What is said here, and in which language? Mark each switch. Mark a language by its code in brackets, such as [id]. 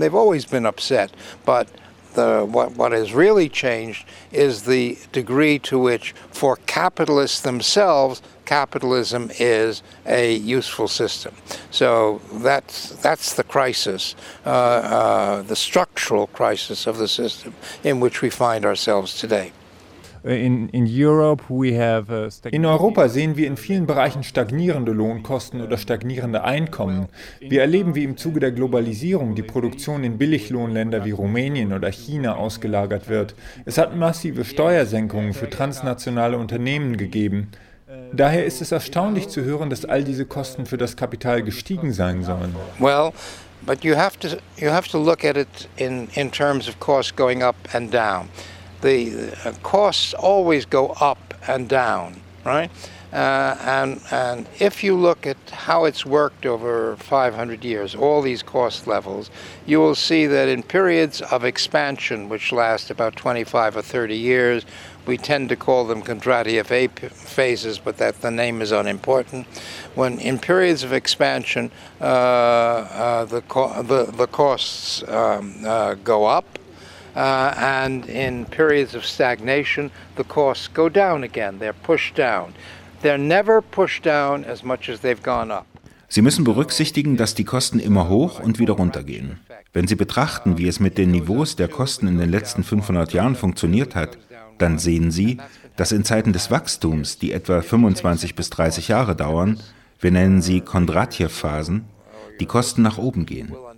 [en] They've always been upset. But what has really changed is the degree to which, for capitalists themselves, capitalism is a useful system. So that's the crisis, the structural crisis of the system in which we find ourselves today. [de] In Europa sehen wir in vielen Bereichen stagnierende Lohnkosten oder stagnierende Einkommen. Wir erleben, wie im Zuge der Globalisierung die Produktion in Billiglohnländer wie Rumänien oder China ausgelagert wird. Es hat massive Steuersenkungen für transnationale Unternehmen gegeben. Daher ist es erstaunlich zu hören, dass all diese Kosten für das Kapital gestiegen sein sollen. [en] Well, but you have to look at it in terms of costs going up and down. The costs always go up and down, right? And if you look at how it's worked over 500 years, all these cost levels, you will see that in periods of expansion, which last about 25 or 30 years, we tend to call them Kondratieff phases, but that the name is unimportant. When in periods of expansion, the costs go up. And in periods of stagnation, the costs go down again. They're pushed down. They're never pushed down as much as they've gone up. [de] Sie müssen berücksichtigen, dass die Kosten immer hoch und wieder runtergehen. Wenn Sie betrachten, wie es mit den Niveaus der Kosten in den letzten 500 Jahren funktioniert hat, dann sehen Sie, dass in Zeiten des Wachstums, die etwa 25 bis 30 Jahre dauern, wir nennen sie Kondratieff-Phasen, die Kosten nach oben gehen.